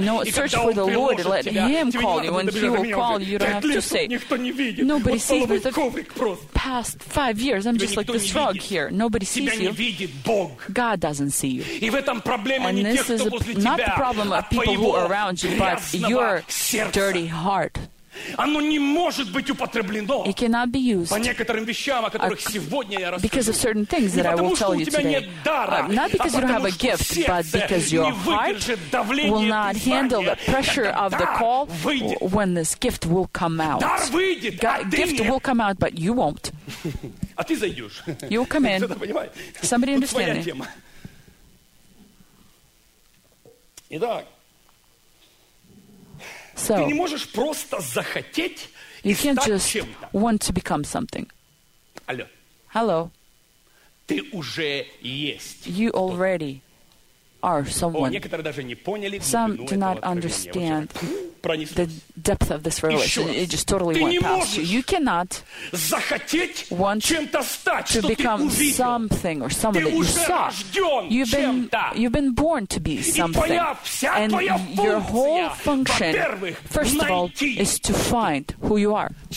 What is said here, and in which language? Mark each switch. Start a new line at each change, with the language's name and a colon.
English: Know, search for the Lord and let Him call you. When He will call you, you don't have to say. Nobody sees me. The past 5 years, I'm just like this frog here. Nobody sees you. God doesn't see you. And this is not the problem of people who are around you, but your dirty heart.
Russian: Оно не может быть употреблено
English: It cannot be used
Russian: по некоторым вещам, о которых сегодня я расскажу.
English: Because of certain things that
Russian: не
English: I will tell you today.
Russian: Нет дара,
English: not because you don't have a gift, but because your heart will not handle the pressure of the call when this gift will come out.
Russian: Дар выйдет,
English: gift will come out, but you won't.
Russian: А ты зайдешь.
English: You'll come in. Somebody understand me.
Russian: Итак.
English: So,
Russian: ты не можешь просто захотеть
English: you can't
Russian: стать
English: just
Russian: чем-то.
English: Want to become something.
Russian: Алло.
English: Hello.
Russian: Ты уже есть.
English: You already are someone.
Russian: О, некоторые даже не поняли.
English: Some do not understand the depth of this revelation. It just totally
Russian: ты
English: went past you. You cannot
Russian: захотеть
English: want
Russian: чем-то стать,
English: to become
Russian: увидел.
English: Something or someone
Russian: ты
English: that you saw. You've been born to be something. And your whole function, first of all, is to find who you are.